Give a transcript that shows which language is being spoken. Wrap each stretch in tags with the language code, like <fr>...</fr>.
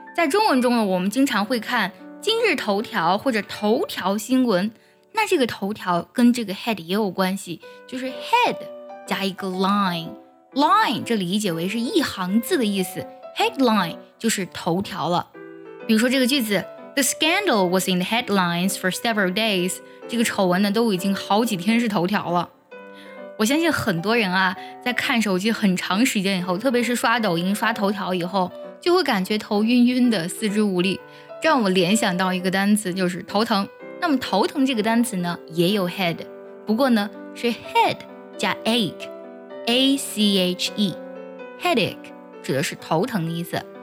<zh>在中文中呢，我们经常会看今日头条或者头条新闻。那这个头条跟这个 head 也有关系，就是 head 加一个 line。 line 这理解为是一行字的意思 ，headline 就是头条了。比如说这个句子。</zh> <en>The scandal was in the headlines for several days.</en> <zh>这个丑闻呢都已经好几天是头条了。我相信很多人啊在看手机很长时间以后，特别是刷抖音刷头条以后，就会感觉头晕晕的，四肢无力。这让我联想到一个单词，就是头疼。那么头疼这个单词呢也有 head， 不过呢是 head 加 ache， A-C-H-E， headache 指的是头疼的意思。</zh>